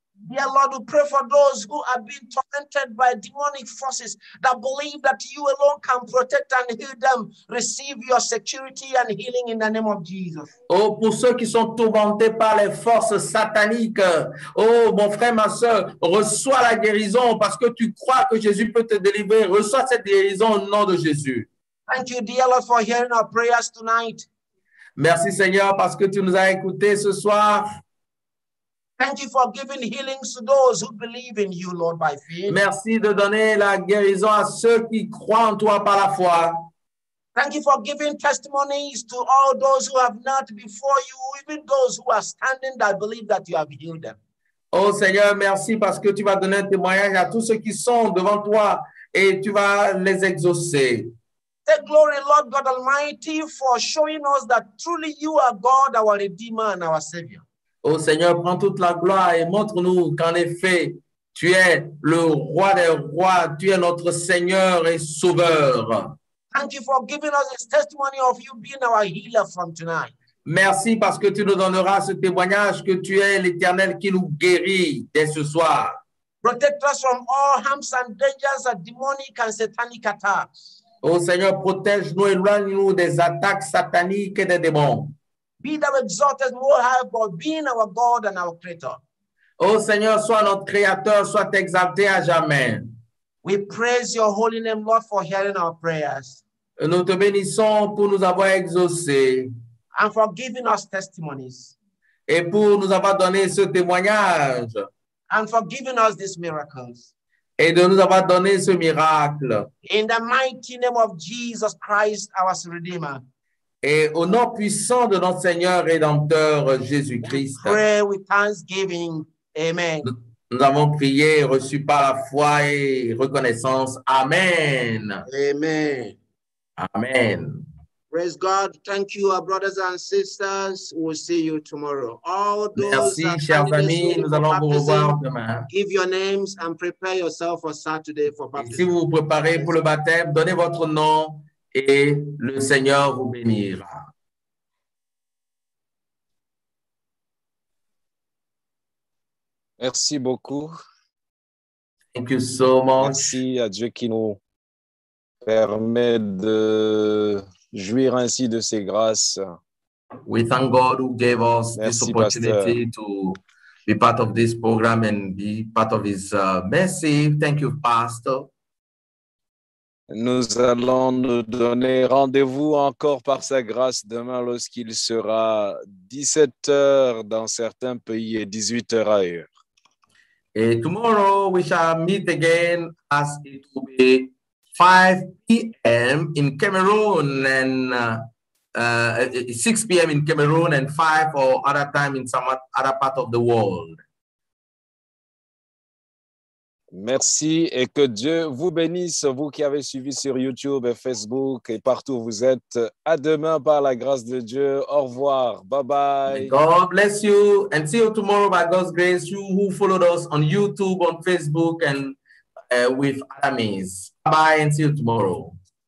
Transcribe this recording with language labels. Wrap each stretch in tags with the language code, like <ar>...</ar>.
<en>Dear Lord, we pray for those who have been tormented by demonic forces that believe that you alone can protect and heal them. Receive your security and healing in the name of Jesus.</en> <fr>Oh, pour ceux qui sont tourmentés par les forces sataniques, oh, mon frère, ma soeur, reçois la guérison parce que tu crois que Jésus peut te délivrer. Reçois cette guérison au nom de Jésus.</fr> <en>Thank you, dear Lord, for hearing our prayers tonight.</en> <fr>Merci, Seigneur, parce que tu nous as écoutés ce soir.</fr> <en>Thank you for giving healing to those who believe in you, Lord, by faith.</en> <fr>Merci de donner la guérison à ceux qui croient en toi par la foi.</fr> <en>Thank you for giving testimonies to all those who have not before you, even those who are standing that believe that you have healed them.</en> <fr>Oh Seigneur, merci parce que tu vas donner un témoignage à tous ceux qui sont devant toi et tu vas les exaucer.</fr> <en>Take glory, Lord God Almighty, for showing us that truly you are God, our Redeemer and our Savior.</en> <fr>Oh Seigneur, prends toute la gloire et montre-nous qu'en effet, tu es le roi des rois, tu es notre Seigneur et Sauveur.</fr> <en>Thank you for giving us this testimony of you being our healer from tonight.</en> <fr>Merci parce que tu nous donneras ce témoignage que tu es l'Éternel qui nous guérit dès ce soir.</fr> <en>Protect us from all harms and dangers of demonic and satanic attacks.</en> <fr>Oh Seigneur, protège-nous et éloigne-nous des attaques sataniques et des démons.</fr> <en>Be thou exalted, more high God, being our God and our Creator.</en> <fr>Oh Seigneur, sois notre Créateur, sois exalté à jamais.</fr> <en>We praise your holy name, Lord, for hearing our prayers.</en> <fr>Nous te bénissons pour nous avoir exaucés.</fr> <en>And for giving us testimonies.</en> <fr>Et pour nous avoir donné ce témoignage.</fr> <en>And for giving us these miracles.</en> <fr>Et de nous avoir donné ce miracle.</fr> <en>In the mighty name of Jesus Christ, our Redeemer.</en> <fr>Et au nom puissant de notre Seigneur Rédempteur Jésus-Christ,</fr> <en>pray with thanksgiving. Amen.</en> <fr>Nous avons prié et reçu par la foi et reconnaissance.</fr> <en>Amen. Amen. Amen. Praise God. Thank you, our brothers and sisters. We'll see you tomorrow. All those</en> <fr>merci, chers amis. Nous allons vous revoir demain.</fr> <en>Give your names and prepare yourself for Saturday for baptism.</en> <fr>Si vous vous préparez pour le baptême, donnez votre nom. Et le Seigneur vous bénira. Merci beaucoup.</fr> <en>Thank you so much.</en> <fr>Merci à Dieu qui nous permet de jouir ainsi de ses grâces.</fr> <en>We thank God who gave us this opportunity to be part of this program and be part of his mercy. Thank you, Pastor.</en> <fr>Nous allons nous donner rendez-vous encore par sa grâce demain lorsqu'il sera 17h dans certains pays et 18h ailleurs.</fr> <en>Et tomorrow we shall meet again as it will be 5 p.m. in Cameroon and 6 p.m. in Cameroon and 5 or other time in some other part of the world.</en> <fr>Merci et que Dieu vous bénisse, vous qui avez suivi sur YouTube et Facebook et partout où vous êtes. À demain par la grâce de Dieu. Au revoir. Bye bye.</fr> <en>God bless you and see you tomorrow by God's grace. You who followed us on YouTube, on Facebook and with Amis. Bye bye and see you tomorrow.</en>